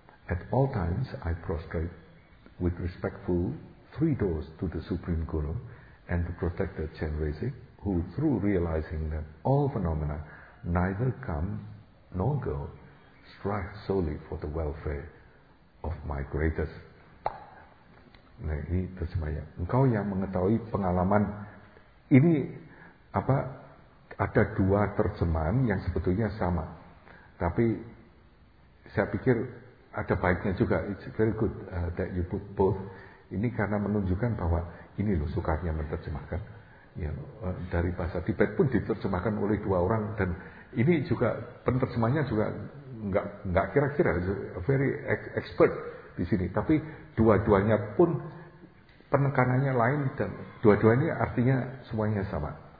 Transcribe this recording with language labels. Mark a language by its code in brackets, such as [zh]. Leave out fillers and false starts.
[en] At all times, I prostrate with respectful 3 doors to the Supreme Guru and the Protector Chenrezig, who through realizing that all phenomena neither come nor go, strive solely for the welfare of my greatest. [id] Nah, ini terjemahnya. Engkau yang mengetahui pengalaman. Ini apa, ada dua terjemahan yang sebetulnya sama, tapi saya pikir ada baiknya juga. [en] It's very good that you put both. [id] Ini karena menunjukkan bahwa ini loh sukarnya menerjemahkan. Ya, dari bahasa Tibet pun diterjemahkan oleh dua orang, dan ini juga penerjemahnya juga nggak kira-kira, [en] very expert [id] di sini. Tapi dua-duanya pun penekanannya lain, dan dua-duanya artinya semuanya sama.